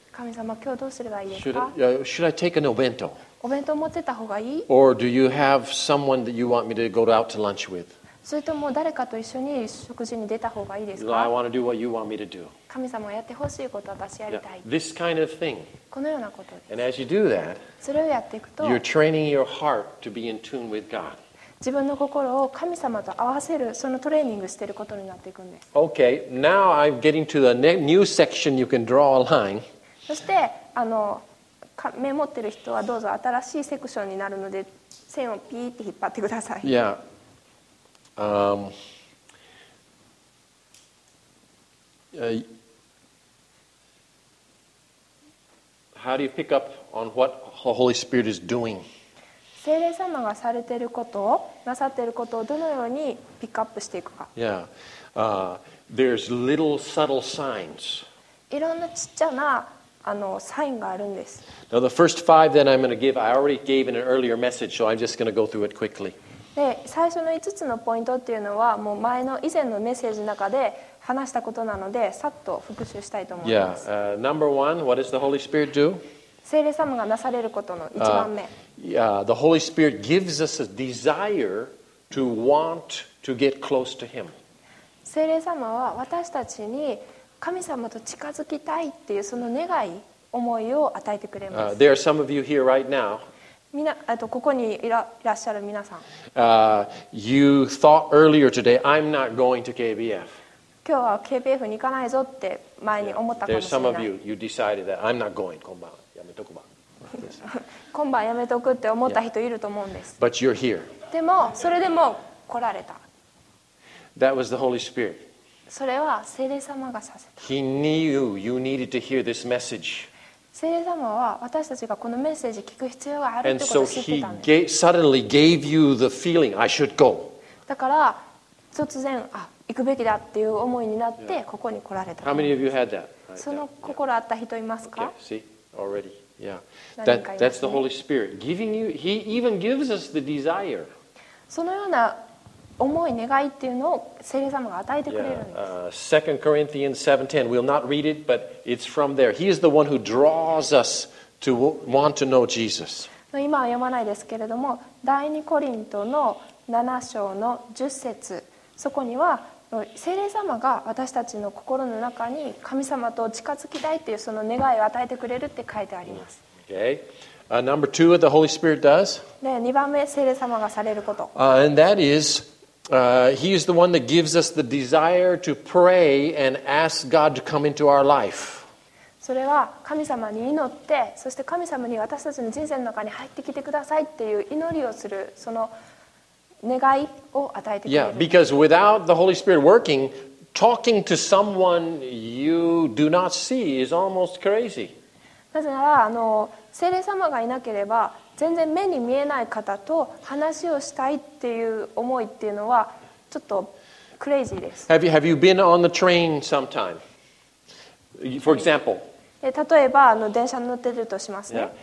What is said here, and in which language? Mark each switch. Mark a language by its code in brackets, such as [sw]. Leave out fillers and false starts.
[ja] 神様、今日どうすればいいですか [en] should I take an obento? [ja] お弁当持ってた方がいい [en] Or do you have someone that you want me to go out to lunch with? [ja] それとも誰かと一緒に食事に出た方がいいですか [en] I want to do what you want me to do. [ja] 神様、やってほしいことを私やりたい。 [en] Yeah, this kind of thing. [ja] このようなことです。 [en] And as you do that, [ja] それをやっていくと、 [en] you're training your heart to be in tune with God. [ja] 自分の心を神様と合わせるそのトレーニングしていることになっていくんです。 [en] Okay, now I'm getting to the new section. You can draw a line. [ja] そしてあのメモってる人はどうぞ新しいセクションになるので線をピーって引っ張ってください。 [en] Yeah. How do you pick up on what the Holy Spirit is doing? [ja] 聖霊様がされていることをなさっていることをどのようにピックアップしていくか。 [en] Yeah. There's little subtle signs. [ja] いろんなちっちゃなあのサインがあるんです。 [en] Now the first five that I'm going to give, I already gave in an earlier message, so I'm just going to go through it quickly. [ja] で、最初の5つのポイントっていうのはもう前の以前のメッセージの中で話したことなので、さっと復習したいと思います。 [en] Yeah. Number one, what does the Holy Spirit do? [ja] 聖霊様がなされることの一番目。 [en] The Holy Spirit gives us a desire to want to get close to Him. [ja] 聖霊様は私たちに神様と近づきたいっていうその願い、思いを与えてくれます。 [en] There are some of you here right now. [ja] みな、あとここにいらっしゃる皆さん。 [en] You thought earlier today, I'm not going to KBF. [ja] 今日は KBF に行かないぞって前に思ったかもしれない。 [en] There's some of you, you decided that I'm not going. [ja] 今晩やめとくわ。今晩やめとくって思った人いると思うんです。 [en] But you're here. [ja] でもそれでも来られた。 [en] That was the Holy Spirit. [ja] それは聖霊様がさせた。 [en] He knew you needed to hear this message. [ja] 聖霊様は私たちがこのメッセージ聞く必要があるってことを知ってたんです。 [en] And so he suddenly gave you the feeling I should go. [ja] だから突然あ。行くべきだっていう思いになってここに来られた。 [en] How many of you had that? [ja] その心あった人いますか? [en] Okay. See already, yeah. That's the Holy Spirit giving you. He even gives us the desire. [ja] そのような思い願いっていうのを聖霊様が与えてくれるんです。 [en] 2 Corinthians 7:10. We'll not read it, but it's from there. He is the one who draws us to want to know Jesus. [ja] 今は読まないですけれども、第2コリントの7章の10節、そこには聖霊様が私たちの心の中に神様と近づきたいというその願いを与えてくれるって書いてあります。 [en] Okay. Number two, what the Holy Spirit does. [ja] で、2番目、聖霊様がされること。 [en] And that is, He is the one that gives us the desire to pray and ask God to come into our life. [ja] それは神様に祈って、そして神様に私たちの人生の中に入ってきてくださいっていう祈りをする、その願いを与えてくれる。 [en] Yeah, because without the Holy Spirit working, talking to someone you do not see is almost crazy. [ja] なぜなら、聖霊様がいなければ、全然目に見えない方と話をしたいっていう思いっていうのは、ちょっとクレイジーです。 [en] Have you been on the train sometime? For example, [ja] 例えば電車に乗っているとしますね。